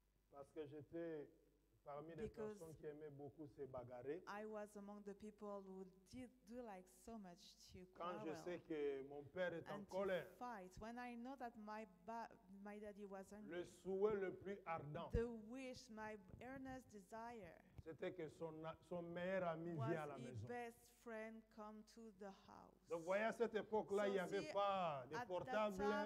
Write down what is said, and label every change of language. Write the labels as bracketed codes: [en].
[fr] parce que j'étais parmi les personnes qui aimaient beaucoup se bagarrer. [en] I was among the people who did do like so much to quarrel. [fr] Quand je sais que mon père est en colère, [en] and to fight, when I know that my daddy was angry, [fr] le souhait le plus ardent, [en] the wish, my earnest desire, [fr] c'était que son meilleur ami vienne à la maison. [en] Was his best friend come to the house. [fr] Donc voyez, à cette époque-là, il n'y avait pas de portable,